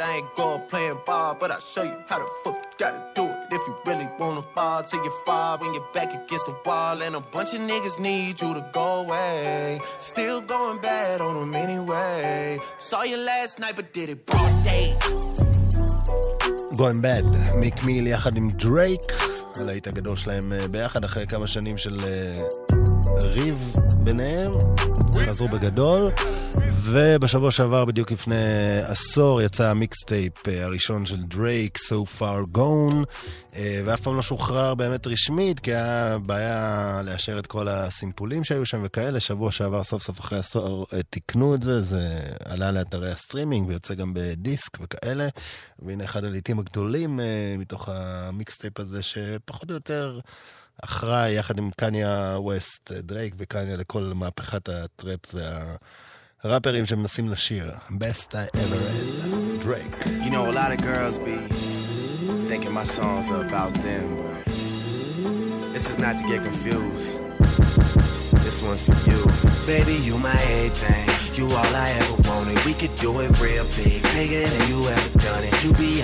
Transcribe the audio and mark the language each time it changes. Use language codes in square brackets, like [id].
[en] I ain't go playing ball, but I'll show you how the fuck you gotta do it if you really wanna ball till you're five when you're back against the wall and a bunch of niggas need you to go away. Still going bad on them anyway. Saw you last night, but did it broad day. Going bad. [he] Meek Mill יחד עם דרייק. הלהיט הגדול שלהם ביחד אחרי כמה שנים של ריב ביניהם. חזרו בגדול. ובשבוע שעבר בדיוק לפני עשור יצא המיקסטייפ הראשון של דרייק, So Far Gone, ואף פעם לא שוחרר באמת רשמית, כי היה בעיה לאשר את כל הסימפולים שהיו שם וכאלה. שבוע שעבר סוף סוף אחרי עשור תקנו את זה, זה עלה לאתרי הסטרימינג ויוצא גם בדיסק וכאלה, והנה אחד הליטים הגדולים מתוך המיקסטייפ הזה שפחות או יותר אחראי יחד עם קניה ווסט, דרייק וקניה לכל מהפכת הטראפ וה... [en] rappers who are trying to sing. Best I ever had. Drake. You know, a lot of girls be thinking my songs are about them, but this is not to get confused. This one's for you. Baby, you my everything. You all I ever wanted. We could do it real big. Bigger than you ever done it. You be